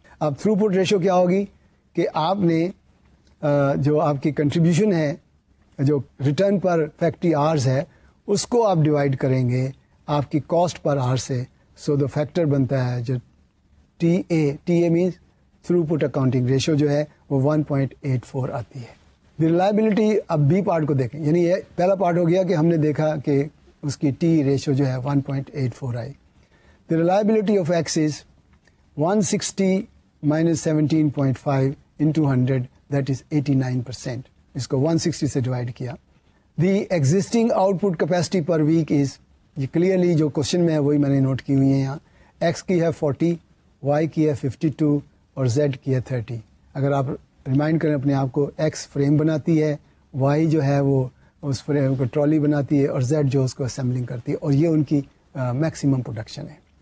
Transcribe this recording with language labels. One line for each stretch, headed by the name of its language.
Urdu: اب تھرو پٹ ریشو کیا ہوگی کہ آپ نے جو آپ کی کنٹریبیوشن ہے, جو ریٹرن پر فیکٹری آرز ہے, اس کو آپ ڈیوائڈ کریں گے آپ کی کاسٹ پر آر سے. سو دا فیکٹر بنتا ہے جو T a means through put accounting ratio جو ہے وہ 1.84 آتی ہے.
English: the reliability,
Urdu: اب بی پارٹ کو دیکھیں, یعنی یہ پہلا پارٹ ہو گیا کہ ہم نے دیکھا کہ اس کی ٹی ریشو جو ہے 1.84 آئی.
English: The reliability of X is 160 minus 17.5 into 100, that is 89%.
Urdu: اس کو 160 سے ڈیوائڈ کیا.
English: the existing output capacity per week is,
Urdu: یہ کلیئرلی جو کوشچن میں ہے وہی میں نے نوٹ کی ہوئی ہیں یہاں, ایکس کی ہے 40, وائی کی ہے 52 اور زیڈ کی ہے 30. اگر آپ ریمائنڈ کریں اپنے آپ کو, ایکس فریم بناتی ہے, وائی جو ہے وہ اس فریم کو ٹرالی بناتی ہے, اور زیڈ جو اس کو اسمبلنگ کرتی ہے, اور یہ ان کی میکسیمم پروڈکشن ہے.